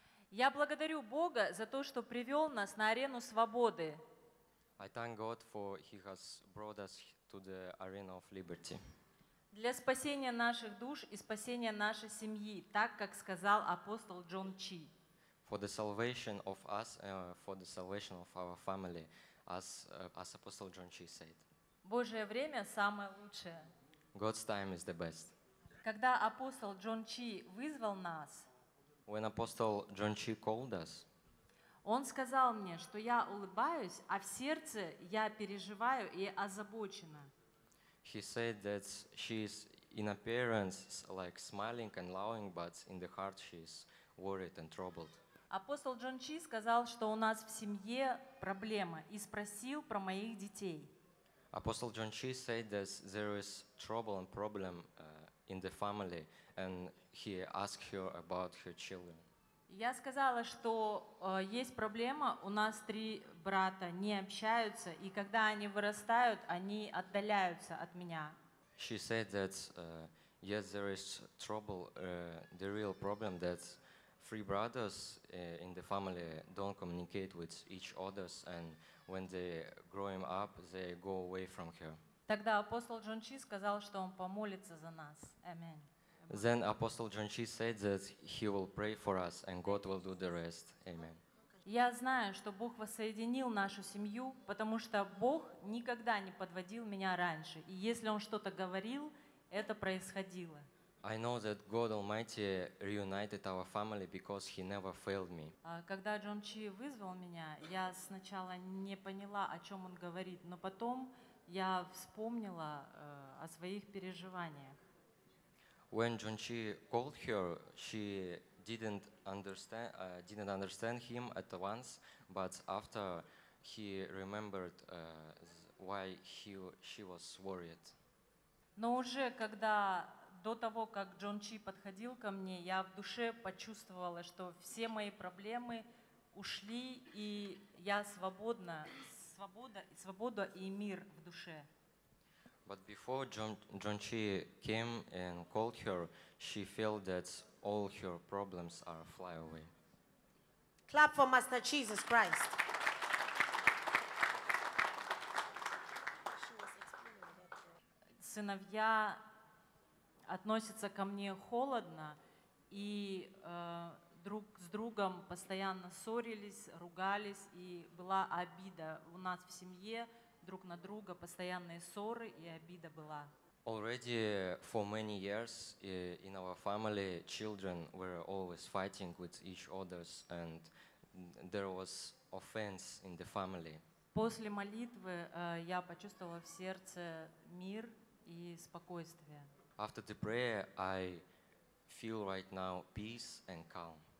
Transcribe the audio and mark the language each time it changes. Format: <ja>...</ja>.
<ru>Я благодарю Бога за то, что привел нас на арену свободы.</ru> <en>I thank God for He has brought us to the arena of liberty.</en> <ru>Для спасения наших душ и спасения нашей семьи, так как сказал апостол Джон Чи.</ru> <en>For the salvation of us, for the salvation of our family, as apostle John Chi said.</en> <ru>Божье время самое лучшее.</ru> <en>God's time is the best.</en> <ru>Когда апостол Джон Чи вызвал нас,</ru> <en>when apostle John Chi called us,</en> <ru>он сказал мне, что я улыбаюсь, а в сердце я переживаю и озабочена.</ru> <en>He said that she is in appearance like smiling and laughing, but in the heart she is worried and troubled.</en> <ru>Апостол Джон Чи сказал, что у нас в семье проблема, и спросил про моих детей.</ru> <en>Апостол Джон Чи said that there is trouble and problem in the family, and he asked her about her children.</en> <ru>Я сказала, что есть проблема, у нас три брата не общаются, и когда они вырастают, они отдаляются от меня.</ru> <en>She said that yes, there is trouble, the real problem that three brothers in the family don't communicate with each other, and when they grow up, they go away from her.</en> <ru>Тогда апостол Джон Чи сказал, что он помолится за нас.</ru> <en>Amen. Then Apostle John Chi said that he will pray for us and God will do the rest. Amen.</en> <ru>Я знаю, что Бог воссоединил нашу семью, потому что Бог никогда не подводил меня раньше. И если он что-то говорил, это происходило.</ru> <en>I know that God Almighty reunited our family because he never failed me.</en> <ru>Когда Джон Чи вызвал меня, я сначала не поняла, о чем он говорит, но потом я вспомнила о своих переживаниях.</ru> <en>When John Chi called her, she didn't understand him at once, but after he remembered why she was worried.</en> <ru>Но уже когда до того, как Джон Чи подходил ко мне, я в душе почувствовала, что все мои проблемы ушли, и я свободна, свобода и мир в душе.</ru> <en>But before John Chi came and called her, she felt that all her problems are fly away. Clap for Master Jesus Christ.</en> <ru>Сыновья относятся ко мне холодно, и друг с другом постоянно ссорились, ругались, и была обида у нас в семье. Друг на друга постоянные ссоры и обида была.</ru> <en>Already for many years in our family children were always fighting with each other and there was offense in the family.</en> <ru>После молитвы я почувствовала в сердце мир и спокойствие.</ru> <en>After the prayer I feel right now peace and calm.</en>